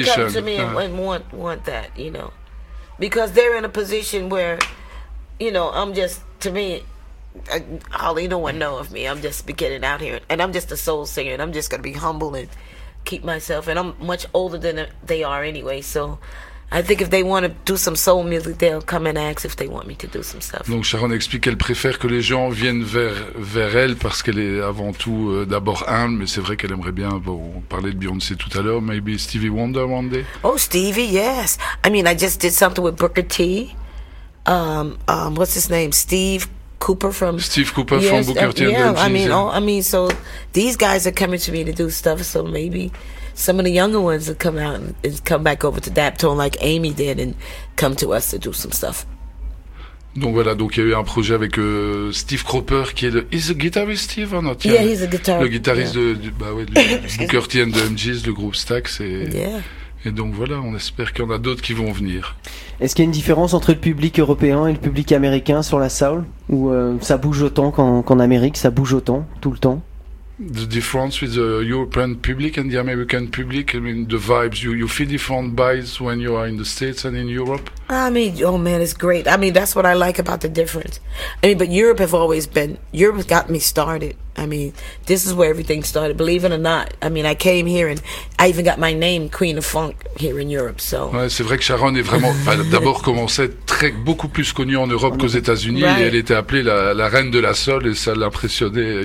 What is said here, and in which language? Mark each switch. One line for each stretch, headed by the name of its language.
English: Until they come to me and want that, you know. Because they're in a position where, you know, I'm just, to me, hardly no one know of me. I'm just beginning out here, and I'm just a soul singer, and I'm just going to be humble and keep myself, and I'm much older than they are anyway, so I think if they want to do some soul music, they'll come and ask if they want me to do some stuff.
French: Donc Sharon explique qu'elle préfère que les gens viennent vers elle parce qu'elle est avant tout d'abord humble, mais c'est vrai qu'elle aimerait bien, bon, parler de Beyoncé tout à l'heure,
English: maybe Stevie Wonder one day. Oh, Stevie, yes. I mean, I just did something with Booker T. What's his name? Steve Cooper from Booker T. Yeah, and the I mean, oh, I mean, so these guys are coming to me to do stuff, so maybe some of the younger ones will come out and come back over to Daptone like Amy did and come to us to do some stuff.
French: Donc voilà, donc il y a eu un projet avec Steve Cropper qui est le...
English: Is a guitarist Steve or not? Yeah, yeah, he's a guitarist.
French: Le guitariste yeah. de Booker T and the MGs, le groupe Stax. Et,
English: yeah.
French: Et donc voilà, on espère qu'il y en a d'autres qui vont venir. Est-ce qu'il y a une différence entre le public européen et le public américain sur la soul? Ou ça bouge autant qu'en Amérique, ça bouge autant, tout le temps?
English: The difference with the European public and the American public, I mean, the vibes, you feel different vibes when you are in the States and in Europe? I mean, oh man, it's great. I mean, that's what I like about the difference. I mean, but Europe has got me started. I mean, this is where everything started, believe it or not. I mean, I came here and I even got my name, Queen of Funk, here in Europe, so.
French: Ouais, c'est vrai que Sharon est vraiment, d'abord commençait très, beaucoup plus connue en Europe qu'aux États-Unis,
English: right.
French: Et elle était appelée la reine de la soul et ça l'impressionnait.